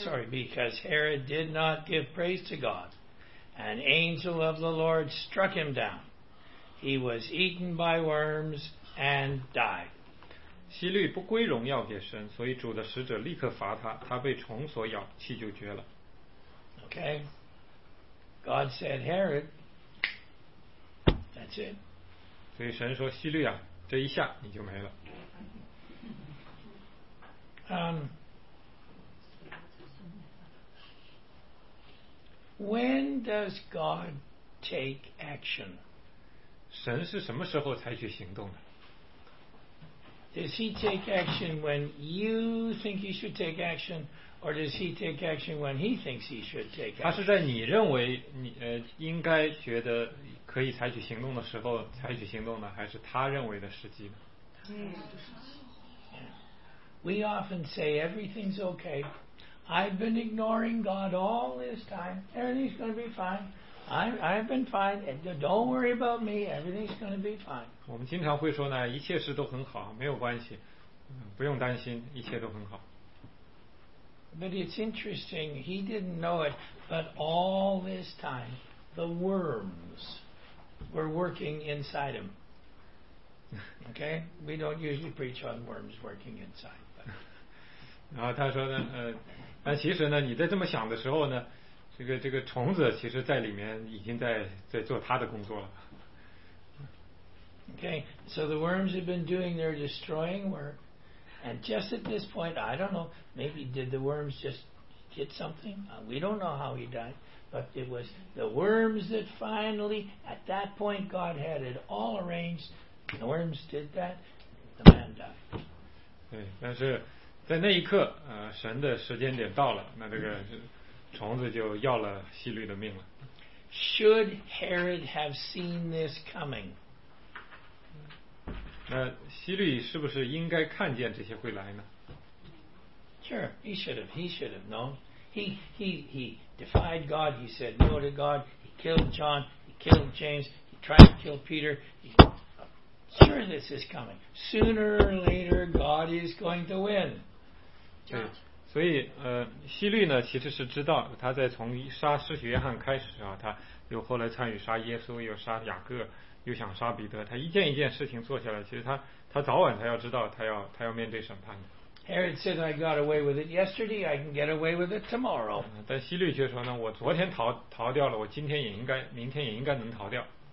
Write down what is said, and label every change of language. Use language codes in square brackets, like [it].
[en] Because Herod did not give praise to God, an angel of the Lord struck him down. He was eaten by worms and died. [zh] 希律不归荣耀给神，所以主的使者立刻罚他，他被虫所咬，气就绝了。 [en] Okay. God said, Herod, that's it. [zh] 所以神说希律啊，这一下你就没了。 [en] When does God take action? [zh] 神是什么时候采取行动的？ [en] Does he take action when you think he should take action, or does he take action when he thinks he should take action? [zh] 他是在你认为你应该觉得可以采取行动的时候采取行动呢，还是他认为的时机呢？ [en] We often say everything's okay. I've been ignoring God all this time. Everything's going to be fine. I've been fine. Don't worry about me. Everything's going to be fine. [zh] 我们经常会说呢，一切事都很好，没有关系，不用担心，一切都很好。 [en] But it's interesting. He didn't know it, but all this time, the worms were working inside him. Okay? We don't usually preach on worms working inside. [zh] 然后他说呢，但其实呢，你在这么想的时候呢，这个虫子其实在里面已经在做他的工作了。 [en] Okay, so the worms have been doing their destroying work, and just at this point, I don't know, maybe did the worms just hit something? We don't know how he died, but it was the worms that finally, at that point, God had it all arranged. The worms did that, the man died. [zh] 对，但是。在那一刻，神的时间点到了，那这个虫子就要了希律的命了。 [en] Should Herod have seen this coming? [zh] 那希律是不是应该看见这些会来呢？ [en] Sure, he should have known. He defied God. He said no to God. He killed John. He killed James. He tried to kill Peter. Sure, this is coming. Sooner or later, God is going to win. [zh] 对，所以希律呢，其实是知道他在从杀施洗约翰开始啊，他又后来参与杀耶稣，又杀雅各。又想杀彼得，他一件一件事情做下来，其实他早晚他要知道，他要面对审判的。 [en] Herod said I got away with it yesterday, I can get away with it tomorrow. [zh] 但希律却说呢，我昨天逃掉了，我今天也应该，明天也应该能逃掉。